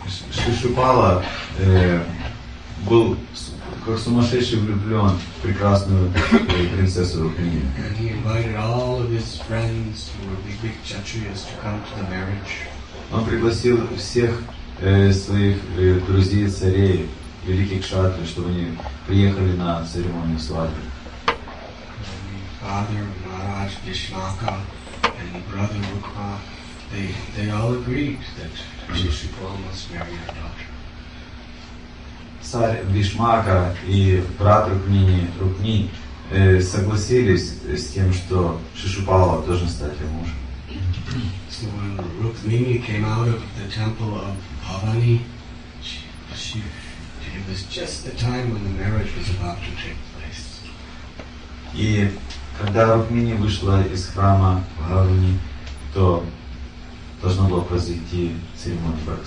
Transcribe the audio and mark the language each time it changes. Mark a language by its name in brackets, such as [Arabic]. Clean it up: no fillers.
[Russian] Шишупала был как сумасшедший влюблен в прекрасную принцессу Рукмини. [English] And he invited all of his friends who were big kshatriyas to come to the marriage. [Russian] Он пригласил всех своих друзей царей, великих кшатри, чтобы они приехали на церемонию свадьбы. [English] Father Maharaj Vishvaka and brother Rukma. They all agreed that Shishupala must marry her daughter. [Russian] Царь Бишмака и брат Рукмини, Рукми, согласились с тем, что Шишупала должен стать ее мужем. [English] So when Rukmini came out of the temple of Bhavani, it was just the time when the marriage was about to take place. [Russian] И когда Рукмини вышла из храма Бхавани, то должно было произойти церемония